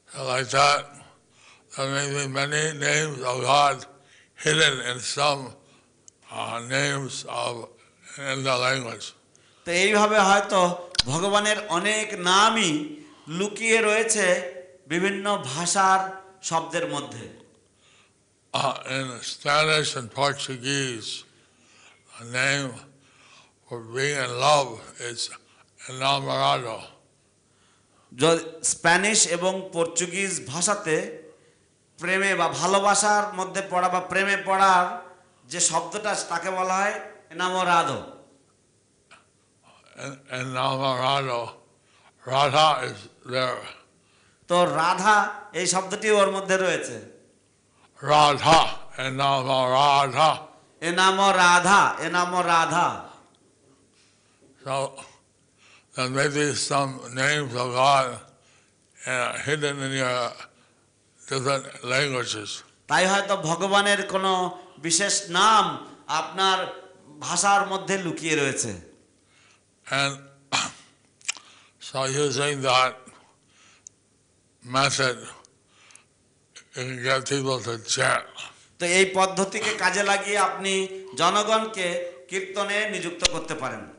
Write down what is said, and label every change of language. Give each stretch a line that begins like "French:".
English: Like that, there may be many names of God hidden in some names of in the language.
Bangla: তো এইভাবে হয়তো ভগবানের অনেক নামই লুকিয়ে রয়েছে বিভিন্ন ভাষার শব্দের মধ্যে.
English: In Spanish and Portuguese, a name for being in love is enamorado.
Bangla: Spanish এবং পর্তুগিজ ভাষাতে প্রেমে বা ভালোবাসার মধ্যে পড়া বা প্রেমে পড়ার যে শব্দটা তাকে বলা হয় এনামোরাদো
English: এনামোরাদো Radha is there
Bangla: তো রাধা এই শব্দটি ওর মধ্যে রয়েছে
Spanish: রাধা এনামোরাদো এনামোরাদো এনামোরাদো
English: And maybe some names of God hidden in your different languages.
Bangla: তাই হয়তো ভগবানের কোন বিশেষ নাম আপনার ভাষার মধ্যে লুকিয়ে রয়েছে.
English: And so using that method, you can get people to chant.
Bangla: তো এই পদ্ধতিকে কাজে লাগিয়ে আপনি জনগণকে কীর্তনে নিযুক্ত করতে পারেন.